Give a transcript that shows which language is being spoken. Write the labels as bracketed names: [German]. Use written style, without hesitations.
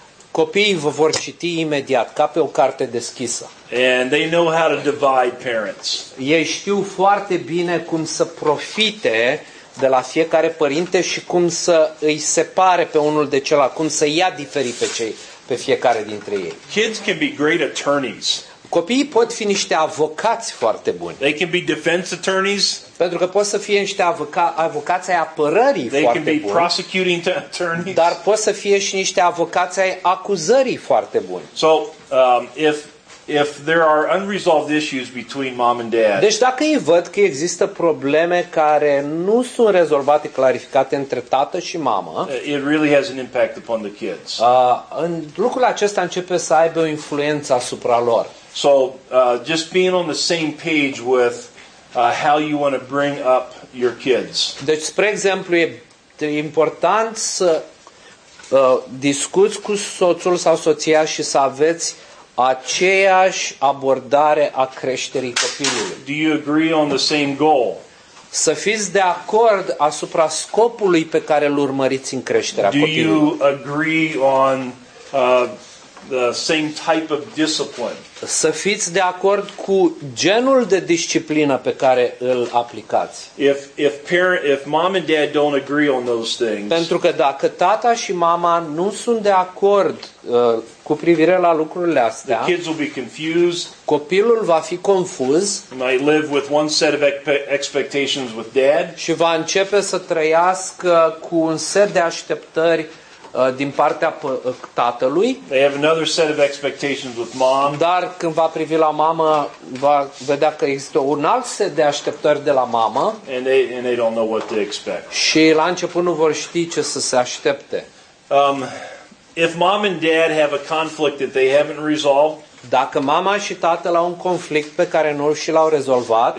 [Romanian] Copiii vă vor citi imediat, ca pe o carte deschisă. [English] And they know how to divide parents. [Romanian] Ei știu foarte bine cum să profite de la fiecare părinte și cum să îi separe pe unul de celălalt, cum să ia diferit pe cei, pe fiecare dintre ei. [English] Kids can be great attorneys. [Romanian] Copiii pot fi niște avocați foarte buni. [English] They can be defense attorneys. [Romanian] Pentru că pot să fie niște avocați ai apărării [English] they [Romanian] foarte [English] can be [Romanian] buni. [English] Prosecuting attorneys. [Romanian] Dar pot să fie și niște avocați ai acuzării foarte buni. [English] So, if there are unresolved issues between mom and dad. [Romanian] Deci dacă îi văd că există probleme care nu sunt rezolvate, clarificate între tată și mamă, [English] it really has an impact upon the kids. [Romanian] Lucrul acesta începe să aibă o influență asupra lor. [English] So, just being on the same page with how you want to bring up your kids. [Romanian] Deci, spre exemplu, e important să discuți cu soțul sau soția și să aveți aceeași abordare a creșterii copilului. [English] Do you agree on the same goal? [Romanian] Să fiți de acord asupra scopului pe care îl urmăriți în creșterea copilului. [English] Do you agree on the same type of discipline? [Romanian] Să fiți de acord cu genul de disciplină pe care îl aplicați. [English] If mom and dad don't agree on those things. [Romanian] Pentru că dacă tata și mama nu sunt de acord cu privire la lucrurile astea, [English] the kids will be confused. [Romanian] Copilul va fi confuz. [English] Might live with one set of expectations with dad. [Romanian] Și va începe să trăiască cu un set de așteptări din partea tatălui. [English] They have another set of expectations with mom. [Romanian] Dar când va privi la mamă, va vedea că există un alt set de așteptări de la mamă. [English] And they don't know what to expect. [Romanian] Și la început nu vor ști ce să se aștepte. [English] If mom and dad have a conflict that they haven't resolved, [Romanian] dacă mama și tatăl au un conflict pe care nu și l-au rezolvat,